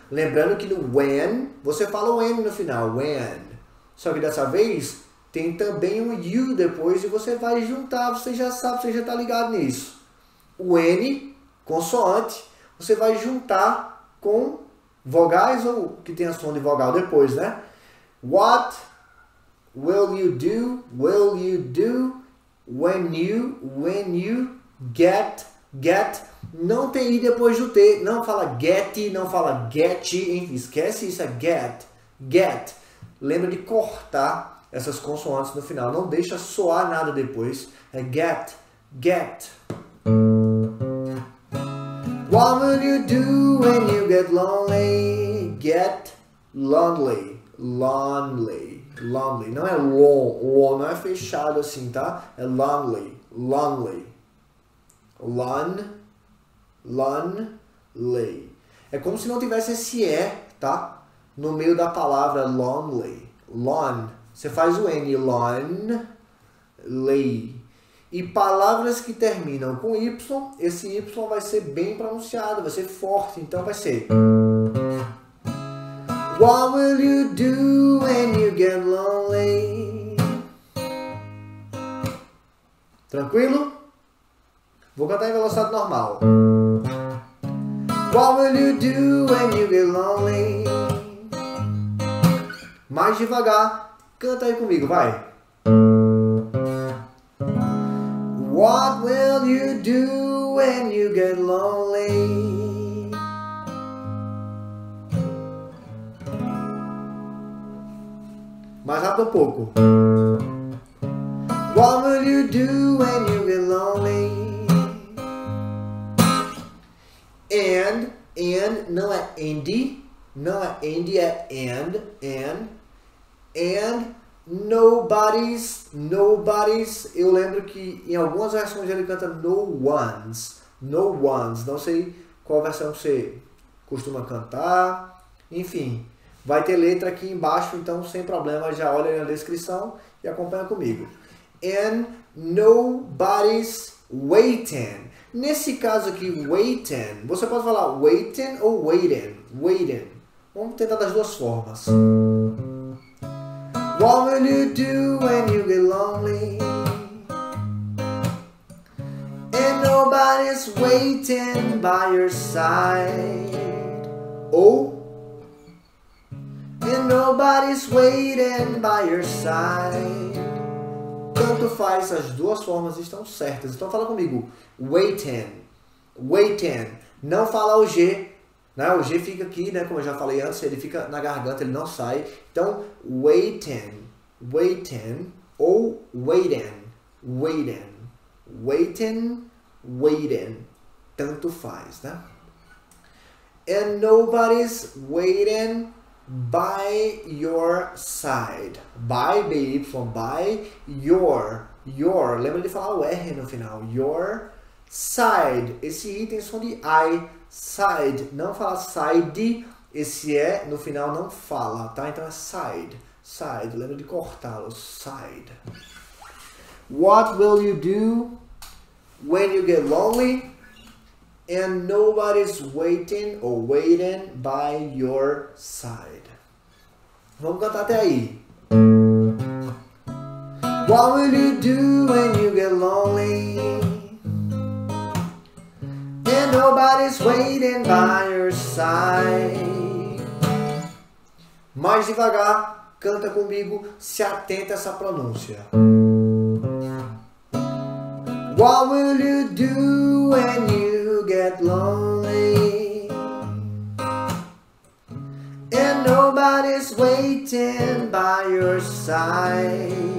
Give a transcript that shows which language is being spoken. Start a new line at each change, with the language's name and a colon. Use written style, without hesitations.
Portuguese: Lembrando que no when, você fala o N no final, when. Só que dessa vez, tem também um you depois e você vai juntar, você já sabe, você já está ligado nisso. O N, consoante, você vai juntar com vogais ou que tenha som de vogal depois, né?
English: What will you do when you get?
Portuguese: Não tem I depois do T. Não fala get, não fala get. Enfim, esquece isso. É get. Get. Lembra de cortar essas consoantes no final. Não deixa soar nada depois.
English: É get. Get. What will you do when you get lonely? Get lonely. Lonely. Lonely.
Portuguese: Não é
English: long.
Portuguese: Long não é fechado assim, tá? É lonely. Lonely.
English: Lonely.
Portuguese: É como se não tivesse esse E, tá? No meio da palavra lonely. Lon. Você faz o N. Lonely. E palavras que terminam com Y, esse Y vai ser bem pronunciado, vai ser forte. Então vai ser...
English: What will you do when you get lonely?
Portuguese: Tranquilo? Vou cantar em velocidade normal.
English: What will you do when you get lonely?
Portuguese: Mais devagar, canta aí comigo, vai.
English: What will you do when you get lonely?
Portuguese: Mais rápido um pouco.
English: What will you do when you get lonely?
Portuguese: and, não é Andy, não é Andy, é and. And nobody's, eu lembro que em algumas versões ele canta no ones, não sei qual versão você costuma cantar, enfim, vai ter letra aqui embaixo, então sem problema, já olha na descrição e acompanha comigo.
English: And nobody's waiting.
Portuguese: Nesse caso aqui, waiting, você pode falar waiting ou waiting, waiting. Vamos tentar das duas formas.
English: What will you do when you get lonely? And nobody's waiting by your side. Oh? And nobody's waiting by your side.
Portuguese: Tanto faz, as duas formas estão certas. Então fala comigo. Waiting. Waiting. Não fala o G. Né? O G fica aqui, né? Como eu já falei antes, ele fica na garganta, ele não sai.
English: Então, waiting. Waiting. Ou waiting. Waiting. Waiting. Waiting.
Portuguese: Tanto faz, né?
English: And nobody's waiting by your side. By, baby, from by your. Your.
Portuguese: Lembra de falar o R no final. Your side. Esse I tem som de I. Side. Não fala side. Esse E no final não fala, tá? Então é side. Side. Lembra de cortá-lo. Side.
English: What will you do when you get lonely and nobody's waiting or waiting by your side?
Portuguese: Vamos cantar até aí.
English: What will you do when you get lonely and nobody's waiting by your side?
Portuguese: Mais devagar, canta comigo, se atenta a essa pronúncia.
English: What will you do when you get lonely and nobody's waiting by your side?